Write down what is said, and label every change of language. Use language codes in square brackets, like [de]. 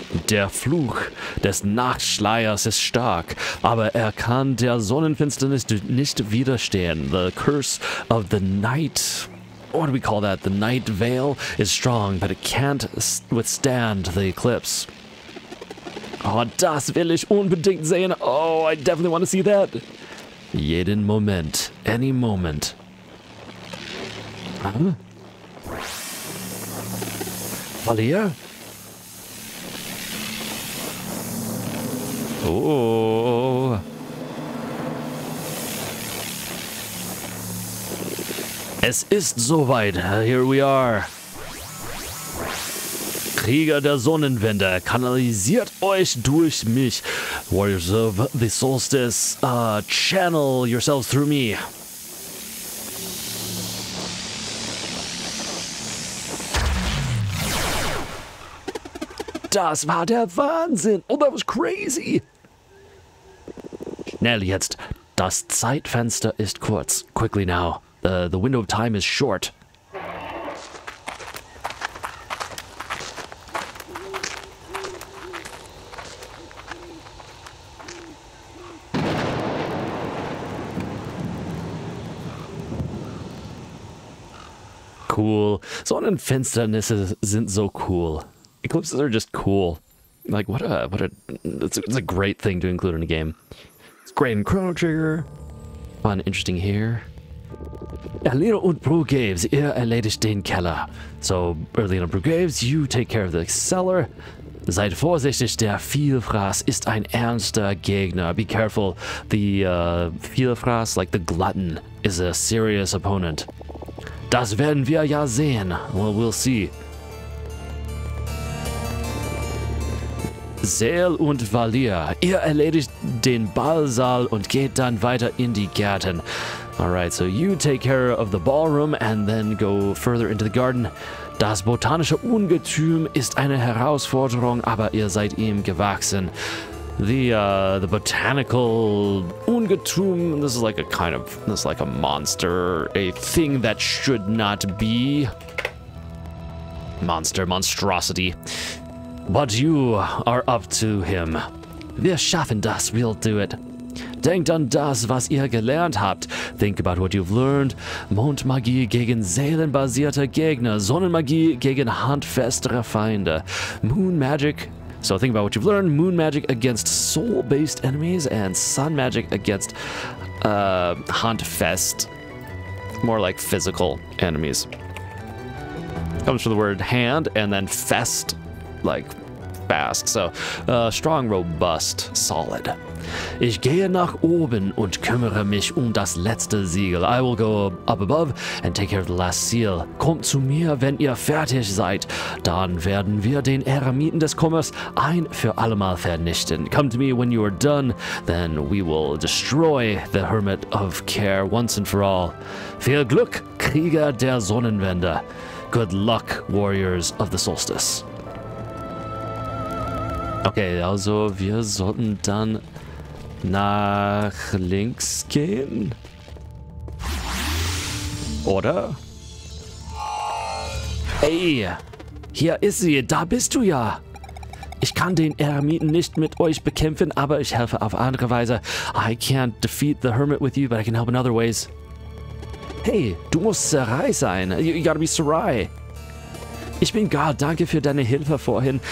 [de] Der Fluch des Nachtschleiers ist stark, aber kann der Sonnenfinsternis nicht widerstehen. [en] The curse of the night, what do we call that? The night veil is strong, but it can't withstand the eclipse. [de] Oh, das will ich unbedingt sehen. [en] Oh, I definitely want to see that. [de] Jeden Moment, [en] any moment. Huh? Valier? Oh. [de] Es ist soweit. [en] Here we are. [de] Krieger der Sonnenwende, kanalisiert euch durch mich. [en] Warriors of the Solstice, channel yourselves through me. [de] Das war der Wahnsinn. [en] Oh, that was crazy. [de] Schnell jetzt. Das Zeitfenster ist kurz. [en] Quickly now. The window of time is short. Cool. Sonnenfinsternisse sind so cool. Eclipses are just cool. Like, it's a great thing to include in a game. Great in Chrono Trigger. Fun, interesting here. [de] Erlina und Brew Graves, ihr erledigt den Keller. [en] So, Erlina [de] und [en] Brew Graves, you take care of the cellar. [de] Seid vorsichtig, der Vielfraß ist ein ernster Gegner. [en] Be careful, the Vielfraß, like the glutton, is a serious opponent. [de] Das werden wir ja sehen. [en] Well, we'll see. [de] Seel und Valier, ihr erledigt den Ballsaal und geht dann weiter in die Gärten. [en] Alright, so you take care of the ballroom and then go further into the garden. [de] Das botanische Ungetüm ist eine Herausforderung, aber ihr seid ihm gewachsen. [en] The botanical Ungetüm, this is like a monster, a thing that should not be. Monster, monstrosity. But you are up to him. [de] Wir schaffen das, [en] we'll do it. [de] Denkt an das, was ihr gelernt habt. [en] Think about what you've learned. [de] Mondmagie gegen seelenbasierte Gegner. Sonnenmagie gegen handfestere Feinde. [en] Moon magic. So think about what you've learned. Moon magic against soul-based enemies and sun magic against handfest. More like physical enemies. Comes from the word hand and then fest, like fast. So strong, robust, solid. [de] Ich gehe nach oben und kümmere mich das letzte Siegel. [en] I will go up above and take care of the last seal. [de] Kommt zu mir, wenn ihr fertig seid. Dann werden wir den Eremiten des Kummers ein für allemal vernichten. [en] Come to me when you are done, then we will destroy the Hermit of Care once and for all. [de] Viel Glück, Krieger der Sonnenwende. [en] Good luck, Warriors of the Solstice. [de] Okay, also wir sollten dann nach links gehen? Oder? Ey, hier ist sie, da bist du ja. Ich kann den Eremiten nicht mit euch bekämpfen, aber ich helfe auf andere Weise. [en] I can't defeat the Hermit with you, but I can help in other ways. [de] Hey, du musst Sarai sein. [en] You gotta be Sarai. [de] Ich bin Garl, danke für deine Hilfe vorhin.